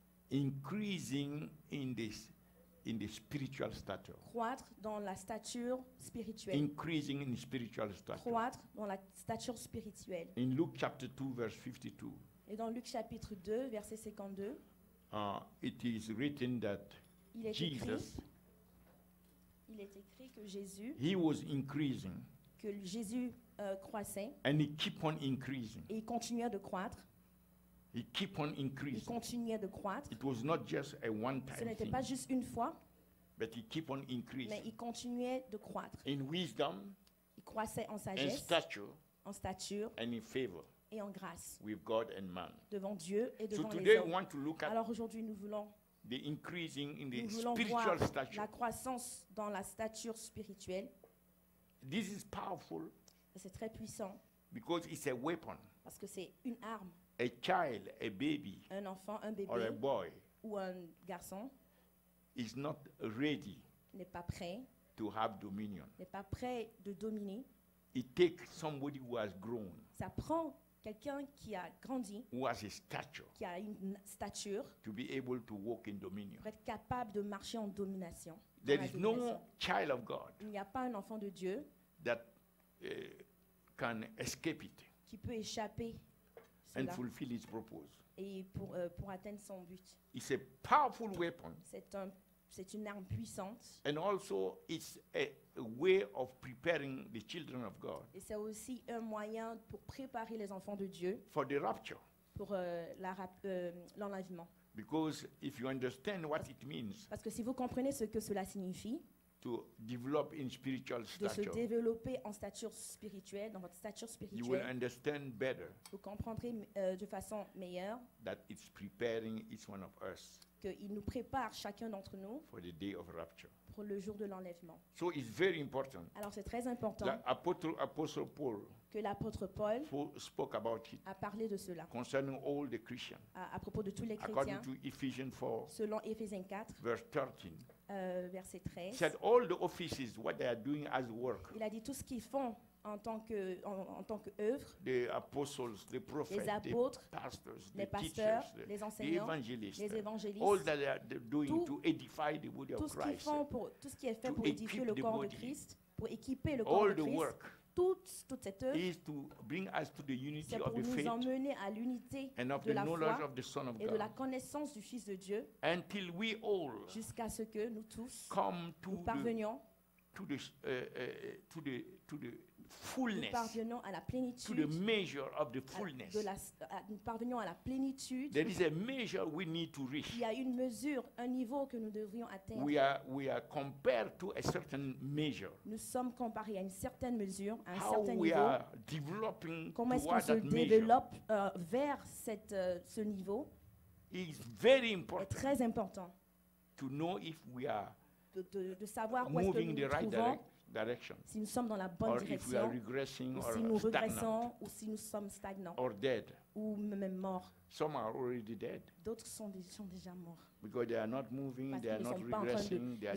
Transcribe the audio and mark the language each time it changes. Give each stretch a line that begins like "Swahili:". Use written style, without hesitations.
English: increasing in this, in the spiritual stature,
French: croître dans la stature spirituelle,
English: increasing in spiritual stature,
French: croître dans la stature spirituelle.
English: In Luke chapter 2 verse 52,
French: et dans Luc chapitre 2 verset 52,
English: it is written that
French: il est
English: Jesus,
French: écrit, il est écrit que Jésus,
English: he was increasing,
French: que Jésus croissait,
English: and he keep on increasing,
French: et il continuait de croître.
English: He keep on increasing.
French: Il continuait de croître.
English: It was not just a one-time.
French: Ce n'était
English: thing,
French: pas juste une fois.
English: But he keep on increasing.
French: Mais il continuait de croître.
English: In wisdom.
French: Il croissait en sagesse.
English: In stature.
French: En stature.
English: And in favor.
French: Et en grâce.
English: With God and man.
French: Devant Dieu et devant
English: so today
French: les hommes.
English: We want to look at.
French: Alors aujourd'hui nous voulons.
English: The increasing in the
French: nous voulons
English: spiritual
French: voir
English: stature.
French: La croissance dans la stature spirituelle.
English: This is powerful.
French: Et c'est très puissant.
English: Because it's a weapon.
French: Parce que c'est une arme.
English: A child, a baby,
French: un enfant, un bébé,
English: or a boy,
French: ou un garçon,
English: is not ready,
French: n'est pas prêt,
English: to have dominion,
French: n'est pas prêt de dominer.
English: It takes somebody who has grown,
French: ça prend quelqu'un qui a grandi,
English: who has a stature,
French: qui a une stature,
English: to be able to walk in dominion,
French: pour être capable de marcher en domination.
English: There is no child of God,
French: il n'y a pas un enfant de Dieu,
English: that can escape it,
French: qui peut échapper.
English: And fulfill his purpose.
French: Et pour atteindre son but.
English: It's a powerful weapon.
French: C'est une arme puissante.
English: And also, it's a way of preparing the children of God.
French: Et c'est aussi un moyen pour préparer les enfants de Dieu.
English: For the rapture.
French: Pour l'enlèvement.
English: Because if you understand what it means.
French: Parce que si vous comprenez ce que cela signifie.
English: To develop in spiritual stature.
French: De se développer en stature spirituelle, dans votre stature spirituelle.
English: You will understand better.
French: Vous comprendrez de façon meilleure.
English: That it's preparing each one of us.
French: Que il nous prépare chacun d'entre nous.
English: For the day of rapture.
French: Pour le jour de l'enlèvement.
English: So it's very important.
French: Alors c'est très important.
English: Apostle Paul.
French: Que l'apôtre Paul.
English: Spoke about it.
French: A parlé de cela.
English: Concerning all the Christians.
French: À propos de tous les chrétiens.
English: According to Ephesians 4.
French: Selon Éphésiens 4.
English: Verse 13.
French: Verset 13.
English: Said all the offices what they are doing as work.
French: Il a dit tout ce qu'ils font en tant que en tant que œuvre.
English: The apostles, the prophets,
French: les apôtres,
English: the pastors,
French: les
English: the
French: pasteurs,
English: teachers,
French: les enseignants,
English: the evangelists,
French: les évangélistes.
English: All that they are doing to edify the body of
French: tout
English: Christ.
French: Tout ce qu'ils font pour tout ce qui est fait pour édifier le corps
English: body,
French: de Christ, pour équiper le corps
English: all
French: de Christ.
English: The work
French: toute cette œuvre.
English: Is to bring us to the unity
French: c'est pour
English: of the
French: nous
English: faith
French: emmener à l'unité
English: and of
French: de
English: the
French: la
English: knowledge
French: foi
English: of the Son of
French: et
English: God.
French: De la connaissance du Fils de Dieu
English: until we all
French: jusqu'à ce que nous tous
English: come to
French: nous parvenions
English: the, to the, fullness,
French: nous parvenions à la plénitude
English: to the measure of the fullness.
French: Nous parvenions à la plénitude.
English: There is a measure we need to reach.
French: Il y a une mesure, un niveau que nous devrions atteindre.
English: We are compared to a certain measure.
French: Nous sommes comparés à une certaine mesure, à un
English: how
French: certain
English: we
French: niveau.
English: Are developing
French: comment
English: toward
French: est-ce qu'on se développe vers cette, ce niveau?
English: It's very important.
French: Est très important.
English: To know if we are
French: de savoir
English: moving
French: où est-ce que
English: the
French: nous
English: right
French: nous trouvons.
English: Direction.
French: Si nous sommes dans la bonne
English: or
French: direction,
English: if we are regressing
French: ou
English: or
French: si nous
English: stagnant,
French: regressons, ou si nous sommes stagnants,
English: or dead.
French: Ou même morts.
English: Some are already dead.
French: D'autres sont déjà morts.
English: Because they are not moving,
French: parce
English: they are not regressing, they are